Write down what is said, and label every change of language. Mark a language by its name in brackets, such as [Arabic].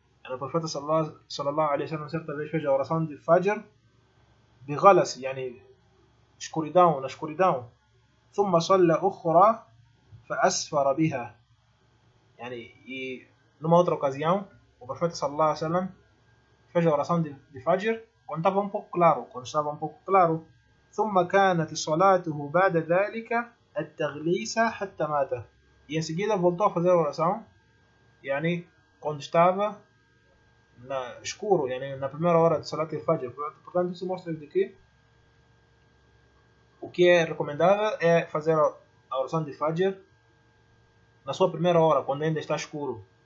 [Portuguese] O profeta sallallahu alaihi wasallam certa vez fez a oração de Fajr bi ghalas, escuridão, na escuridão. [Arabic] ثم صلى أخرى فأسفر بها. [Portuguese] E numa outra ocasião, o profeta sallallahu alaihi wasallam fez a oração de Fajr quando estava um pouco claro. [Arabic] ثم كانت صلاته بعد ذلك التغليس حتى مات. [Portuguese] E em seguida voltou a fazer a oração, quando estava na escuro, na primeira hora de salat de Fajr. Portanto, isso mostra de que o que é recomendável é fazer a oração de Fajr na sua primeira hora, quando ainda está escuro.